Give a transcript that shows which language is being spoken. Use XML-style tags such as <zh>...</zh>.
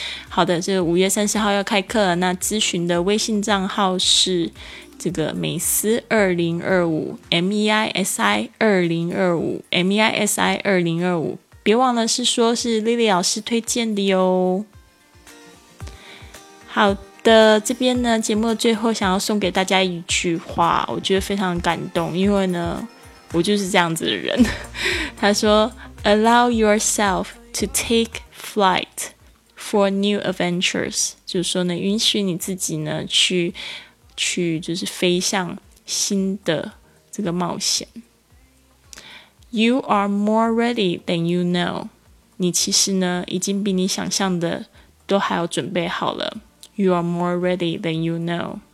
<zh>好的，这个5月30号要开课了，那咨询的微信账号是这个MISI2025 MEISI2025 MEISI2025, 别忘了是说是 Lily 老师推荐的哟。好的，这边呢节目最后想要送给大家一句话，我觉得非常感动，因为呢我就是这样子的人。他说</zh> <en>Allow yourself to take flight for new adventures.</en> <zh>就是说呢，允许你自己呢去就是飞向新的这个冒险。</zh> <en>You are more ready than you know.</en> <zh>你其实呢已经比你想象的都还要准备好了。</zh> <en>You are more ready than you know.</en>